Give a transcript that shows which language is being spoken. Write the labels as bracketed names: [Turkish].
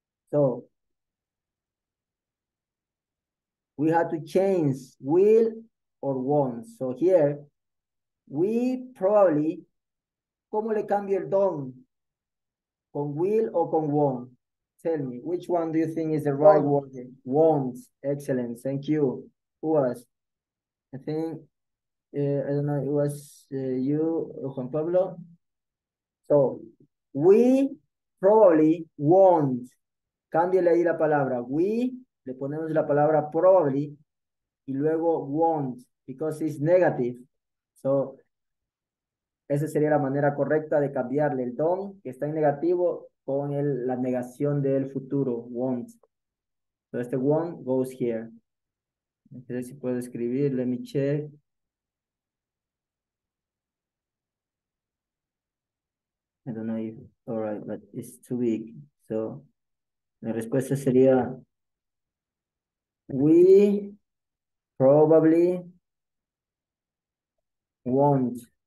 [English] So, we have to change will or won't. So here, we probably, [Spanish] ¿cómo le cambio el don? ¿Con will o con won't? [English] Tell me, which one do you think is the right Won. word here? Won't. Excellent. Thank you. Who was? I think, I don't know, it was you, Juan Pablo. So, we probably won't. [Spanish] Cámbiale ahí la palabra. We, le ponemos la palabra probably y luego won't, [English] because it's negative. [Spanish] So, esa sería la manera correcta de cambiarle el don que está en negativo con el, la negación del futuro, won't. [English] So, este won't goes here. [Spanish] No sé si puedo escribir, [English] let me check. I don't know if, all right, but it's too big. [Spanish] So, la respuesta sería, [English] we probably won't.